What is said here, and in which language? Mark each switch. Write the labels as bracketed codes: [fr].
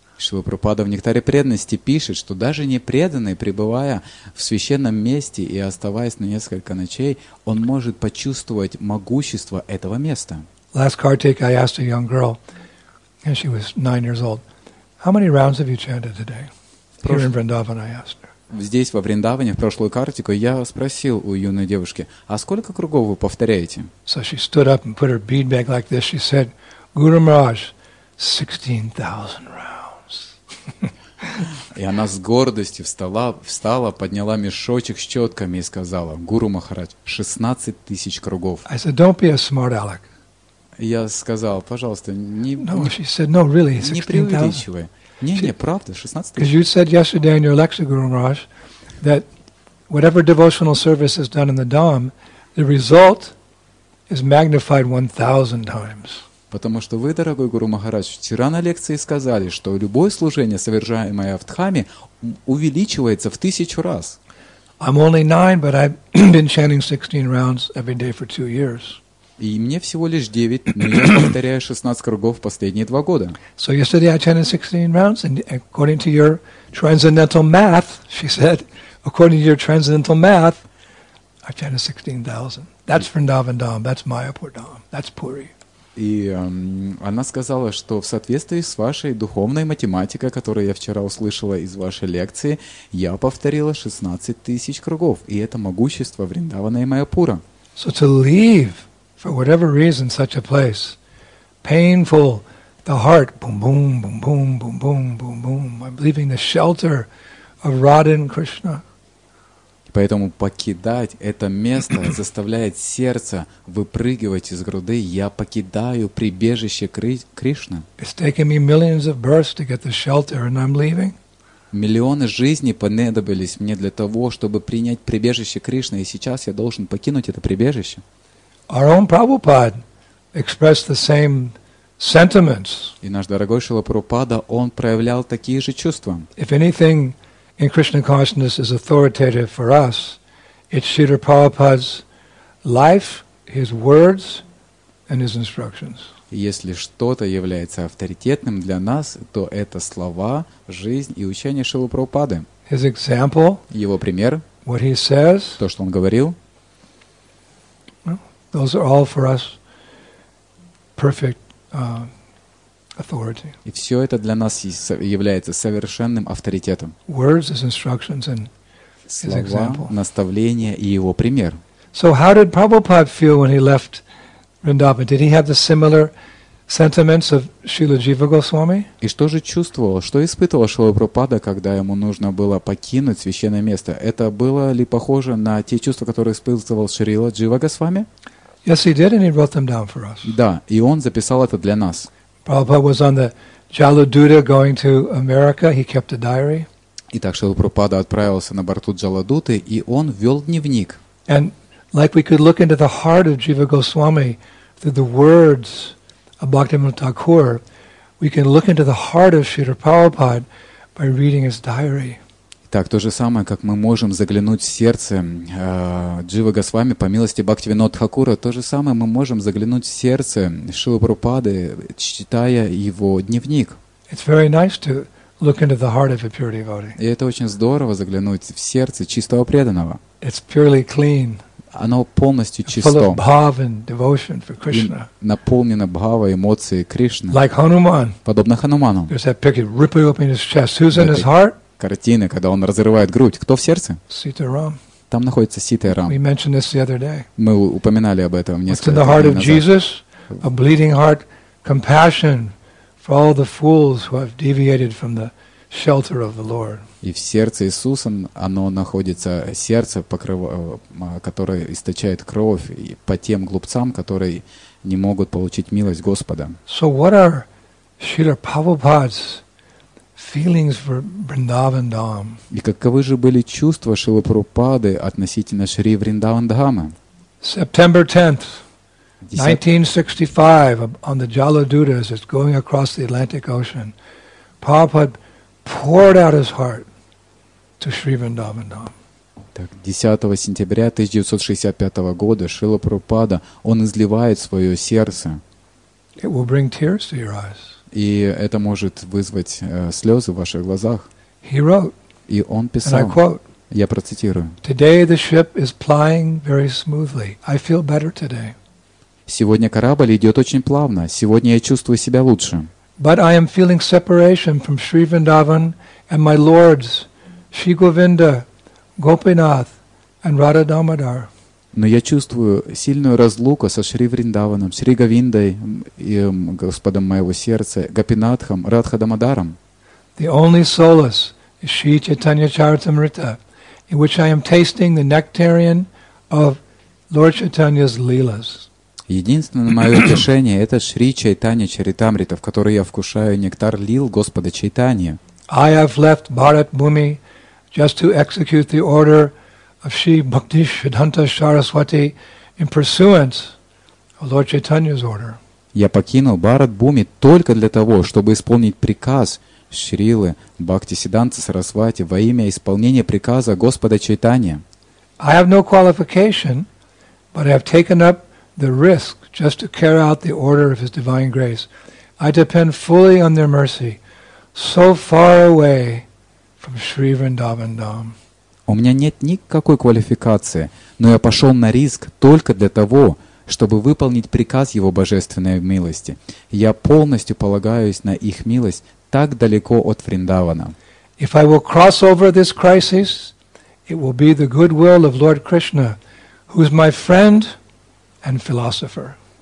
[ru] Шрила Прабхупада в Нектаре преданности пишет, что даже непреданный, пребывая в священном месте и оставаясь на несколько ночей, он может почувствовать могущество этого места. [en] Last Kartik, I asked a young girl, and she was 9 years old, how many rounds have you chanted today? Here in Vrindavan, I asked. [ru] Здесь, во Вриндаване, в прошлую картику, я спросил у юной девушки, а сколько кругов вы повторяете? [en] So she stood up and put her bead bag like this. She said, Guru Maharaj, 16,000 rounds. [ru] И она с гордостью встала, подняла мешочек с четками и сказала, Гуру Махарадж, 16 тысяч кругов. [en] I said, don't be a smart aleck. [ru] Я сказал, пожалуйста, не, [en] no, she said, no, really, 16,000. [ru] Не преувеличивай. Не, правда, 16 тысяч. [en] Because you said yesterday in your lecture, Guru Maharaj, that whatever devotional service is done in the Dham, the result is magnified 1,000 times. [ru] Потому что вы, дорогой Гуру Махарадж, вчера на лекции сказали, что любое служение, совершаемое в Дхаме, увеличивается в 1000 раз. [en] I'm only 9, but I've been chanting 16 rounds every day for 2 years. [ru] И мне всего лишь 9, но я повторяю 16 кругов последние 2 года. [en] So yesterday I chanted 16 rounds, and according to your transcendental math, she said, according to your transcendental math, I chanted 16,000. That's Vrindavan Dham, that's Mayapur Dham, that's Puri. [ru] И она сказала, что в соответствии с вашей духовной математикой, которую я вчера услышала из вашей лекции, я повторила 16 тысяч кругов. И это могущество Вриндавана и Майяпура. [en] So to leave, for whatever reason, such a place, painful, the heart, boom-boom, boom-boom, boom-boom, boom-boom, I'm leaving the shelter of Radha and Krishna. [ru] Поэтому покидать это место заставляет сердце выпрыгивать из груди. Я покидаю прибежище Кришны. [en] It's taken me millions of births to get the shelter, and I'm leaving. [ru] Миллионы жизней понадобились мне для того, чтобы принять прибежище Кришны, и сейчас я должен покинуть это прибежище. [en] Our own Prabhupada expressed the same sentiments. [ru] И наш дорогой Шрила Прабхупада, он проявлял такие же чувства. [en] If anything in Krishna consciousness is authoritative for us, it's Śrīla Prabhupāda's life, his words, and his instructions. [ru] Если что-то является авторитетным для нас, то это слова, жизнь и учение Шрилы Прабхупады. [en] His example, [ru] его пример, [en] what he says, [ru] то, что он говорил, [en] well, those are all for us perfect authority. [ru] И все это для нас является совершенным авторитетом. [en] Words is instructions and his example. [ru] Слова, наставления и его пример. [en] So how did Prabhupada feel when he left Vrindavan? Did he have the similar sentiments of Śrīla Jīva Gosvāmī? [ru] И что же чувствовал, что испытывал Шрила Прабхупада, когда ему нужно было покинуть священное место? Это было ли похоже на те чувства, которые испытывал Шрила Джива Госвами? [en] Yes, he did, and he wrote them down for us. [ru] Да, и он записал это для нас. [en] Prabhupada was on the Jaladuta going to America. He kept a diary. [ru] Итак, Шрила Прабхупада отправился на борту Джаладуты, и он вел дневник. [en] And like we could look into the heart of Jiva Goswami through the words of Bhaktivinoda Thakur, we can look into the heart of Śrīla Prabhupada by reading his diary. [ru] Так, то же самое, как мы можем заглянуть в сердце Джива Госвами по милости Бхактивинода Тхакура, то же самое мы можем заглянуть в сердце Шрилы Прабхупады, читая его дневник. [en] It's very nice to look into the heart of a pure devotee. [ru] И это очень здорово заглянуть в сердце чистого преданного. [en] It's purely clean. [ru] Оно полностью чисто. [en] Full of bhava and devotion for Krishna. [ru] Наполнено бхава, эмоции Кришны. [en] Like Hanuman. [ru] Подобно Хануману. [en] There's that picture, ripping open his chest. Who's in his heart? [ru] Картины, когда он разрывает грудь. Кто в сердце? Ситарам. Там находится Ситарам. [en] We mentioned this the other day. [ru] Мы упоминали об этом несколько дней назад. [en] It's in the heart of Jesus, a bleeding heart, compassion for all the fools who have deviated from the shelter of the Lord. [ru] И в сердце Иисуса оно находится, сердце, которое источает кровь и по тем глупцам, которые не могут получить милость Господа. [en] So what are Śrīla Prabhupāda's feelings for Vrindavan Dham? [ru] И каковы же были чувства Шрилы Прабхупады относительно Шри Вриндаван Дхамы? [en] September 10th, 1965, on the Jaladuta, as it's going across the Atlantic Ocean, Prabhupada poured out his heart to Shri Vrindavan Dham. [ru] Так, 10 сентября 1965 года Шрила Прабхупада, он изливает свое сердце. [en] It will bring tears to your eyes. [ru] И это может вызвать слезы в ваших глазах. [en] He wrote, [ru] и он писал, [en] and I quote, [ru] я процитирую. [en] Today the ship is plying very smoothly. I feel better today. [ru] Сегодня корабль идет очень плавно. Сегодня я чувствую себя лучше. [en] But I am feeling separation from Shri Vrindavan and my lords, Shri Govinda, Gopinath and Radha Damodar. [ru] Но я чувствую сильную разлуку со Шри Вриндаваном, Шри Говиндой, и Господом моего сердца, Гопинатхом, Радха Дамодаром. [en] The only solace is Shri Chaitanya Charitamrita, in which I am tasting the nectarian of Lord Chaitanya's Leelas. [ru] Единственное мое утешение – это Шри Чайтанья Чаритамрита, в которой я вкушаю нектар лил Господа Чайтанья. [en] I have left Bharat Bhumi just to execute the order of Shri Bhakti Siddhanta Saraswati in pursuance of Lord Chaitanya's order. [ru] Я покинул Bharat Bhumi только для того, чтобы исполнить приказ Шрилы Бхакти Сиддханты Сарасвати во имя исполнения приказа Господа Чайтанья. [en] I have no qualification, but I have taken up the risk just to carry out the order of His divine grace. I depend fully on their mercy, so far away from Shri Vrindavan Dham. [ru] У меня нет никакой квалификации, но я пошел на риск только для того, чтобы выполнить приказ Его божественной милости. Я полностью полагаюсь на их милость так далеко от Вриндавана. [en] If I will cross over this crisis, it will be the good will of Lord Krishna, who is my friend and philosopher.